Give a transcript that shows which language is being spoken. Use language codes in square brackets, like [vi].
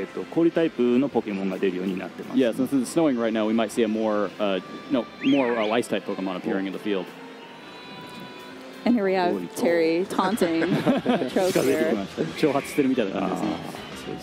[ja] そうですね。今、ひょうが降ってるので、ちょっと違うタイプのポケモンがちらほらと見かけられますよね。ここは今、天候が雪に降ってるので、氷タイプのポケモンが出るようになってます。 [en] Yeah, since it's snowing right now, we might see a more, more ice type Pokemon appearing in the field. And here we have Terry taunting Choker. [ja] 挑発してるみたいな感じですね。